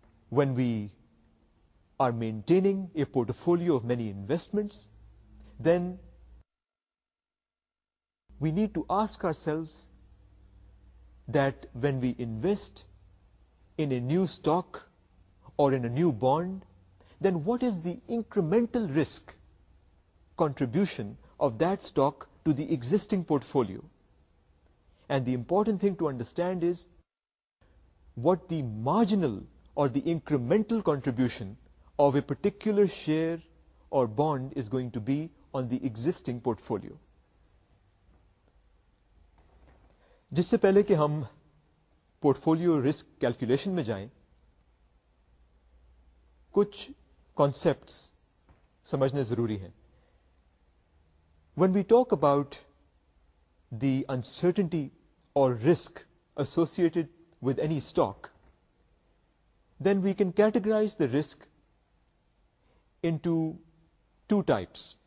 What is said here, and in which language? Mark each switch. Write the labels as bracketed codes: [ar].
[en] When we are maintaining a portfolio of many investments, then we need to ask ourselves that when we invest in a new stock or in a new bond, then what is the incremental risk contribution of that stock to the existing portfolio? And the important thing to understand is what the marginal or the incremental contribution of a particular share or bond is going to be on the existing portfolio. [ur] جس سے پہلے کہ ہم port folio risk calculation میں جائیں کچھ concepts سمجھنے ضروری ہیں. [en] When we talk about the uncertainty or risk associated with any stock, then we can categorize the risk into two types.